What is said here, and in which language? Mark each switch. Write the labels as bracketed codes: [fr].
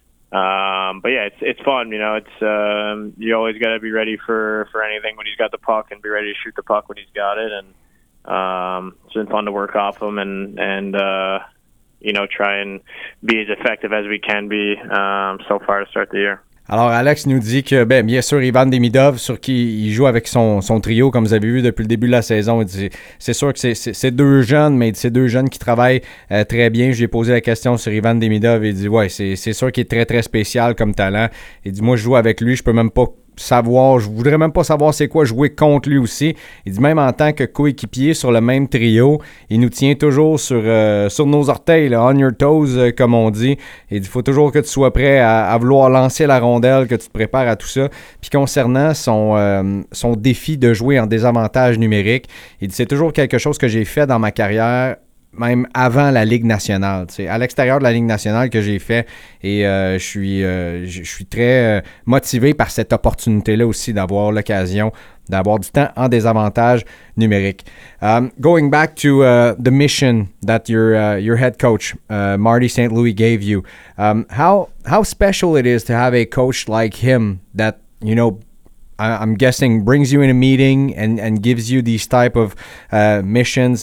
[en] But yeah, it's fun, you know. It's you always got to be ready for anything when he's got the puck, and be ready to shoot the puck when he's got it. And it's been fun to work off him and you know, try and be as effective as we can be so far to start the year. [fr] Alors, Alex nous dit que, ben, bien sûr, Ivan Demidov, sur qui il joue avec son trio, comme vous avez vu depuis le début de la saison, il dit, c'est sûr que c'est deux jeunes, mais c'est deux jeunes qui travaillent très bien. J'ai posé la question sur Ivan Demidov, il dit, ouais, c'est sûr qu'il est très, très spécial comme talent. Il dit, moi, je joue avec lui, je peux même pas savoir, je voudrais même pas savoir c'est quoi jouer contre lui aussi. Il dit, même en tant que coéquipier sur le même trio, il nous tient toujours sur nos orteils, là, [en] on your toes, [fr] comme on dit. Il dit, faut toujours que tu sois prêt à vouloir lancer la rondelle, que tu te prépares à tout ça. Puis concernant son défi de jouer en désavantage numérique, il dit, c'est toujours quelque chose que j'ai fait dans ma carrière, même avant la Ligue nationale, tu sais, à l'extérieur de la Ligue nationale que j'ai fait, et je suis très motivé par cette opportunité-là aussi d'avoir l'occasion d'avoir du temps en désavantage numérique. [en] Going back to the mission that your head coach Marty St. Louis gave you, how special it is to have a coach like him that, you know, I'm guessing brings you in a meeting and gives you these type of missions.